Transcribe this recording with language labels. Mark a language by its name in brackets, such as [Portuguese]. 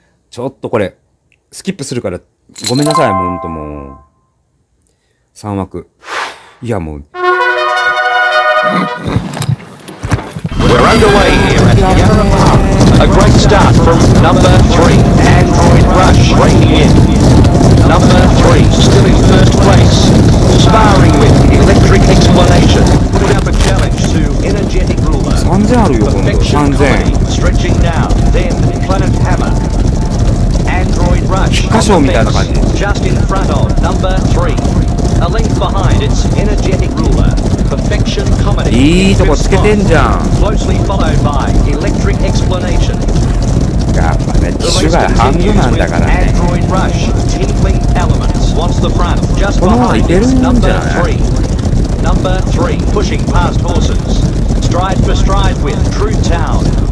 [Japanese] ちょっとこれスキップするからごめんなさい、もうほんともう3枠いやもう [English] We're underway here at Yarra Park. A great start from number 3 Android Rush breaking in. Number 3 still in first place. Sparring with Electric Explanation. Put up a challenge to Energetic Ruler. [Japanese] 3000あるよ、この3000 [English] Stretching now, then Planet Hammer. [Japanese] 出荷賞みたいな感じ。 [English] Just in front of number three, a length behind its energetic ruler, perfection comedy. [Japanese] いいとこつけてんじゃん。 [English] Closely followed by electric explanation. [Japanese] やっぱね、機種がハンドなんだからね。 [English] Android rush, tingling elements. What's the front? Just behind its number three. Number three, pushing past horses. Stride for stride with True Town.